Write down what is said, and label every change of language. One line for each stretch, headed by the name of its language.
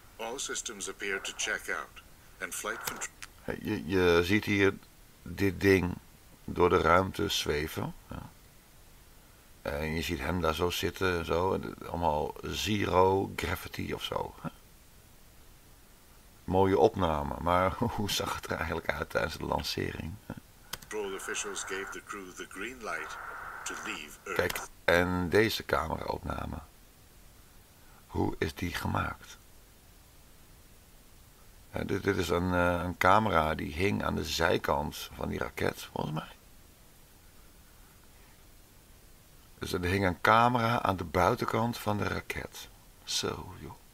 English: All systems appear to check out, and flight control.
Dutch: Je ziet hier dit ding door de ruimte zweven. En je ziet hem daar zo zitten en zo. En allemaal zero gravity of zo. Mooie opname, maar hoe zag het er eigenlijk uit tijdens de lancering?
English: Control officials gave the crew the green light to leave Earth.
Dutch: Kijk, en deze cameraopname. Hoe is die gemaakt? Ja, dit is een camera die hing aan de zijkant van die raket, volgens mij. Dus er hing een camera aan de buitenkant van de raket. Zo, joh.